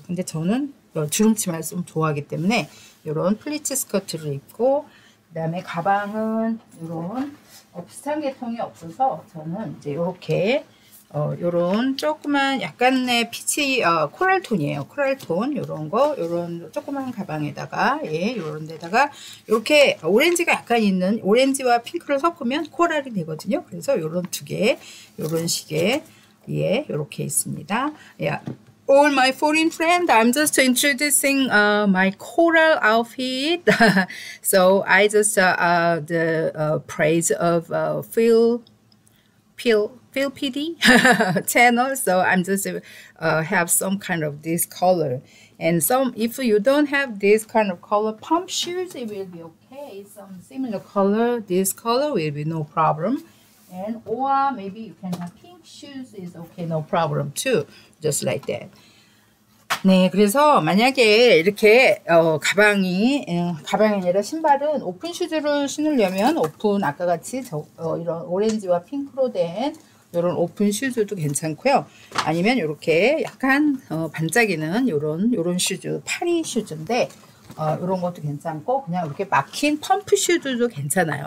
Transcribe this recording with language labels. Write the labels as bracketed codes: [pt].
[ko] 근데 저는 주름치마를 좀 좋아하기 때문에 이런 플리츠 스커트를 입고, 그 다음에 가방은 이런 비슷한 계통이 없어서 저는 이제 이렇게 요런 조그만 약간의 피치 코랄톤이에요. 코랄톤 요런 거 요런 조그만 가방에다가 예 요런 데다가 요렇게 오렌지가 약간 있는 오렌지와 핑크를 섞으면 코랄이 되거든요. 그래서 요런 두 개 요런 식의 예 요렇게 있습니다. [en] Yeah. All my foreign friend, I'm just introducing my coral outfit. So I just the praise of Phil PD channel, so I'm just have some kind of this color. And some, if you don't have this kind of color pump shoes, it will be okay. Some similar color, this color will be no problem. And or maybe you can have pink shoes, is okay, no problem too. Just like that. [ko] 네, 그래서 만약에 이렇게 가방이 아니라 신발은 오픈 슈즈를 신으려면 오픈 아까 같이 이런 오렌지와 핑크로 된 이런 오픈 슈즈도 괜찮고요. 아니면 이렇게 약간 반짝이는 이런 슈즈, 파리 슈즈인데 이런 것도 괜찮고 그냥 이렇게 막힌 펌프 슈즈도 괜찮아요.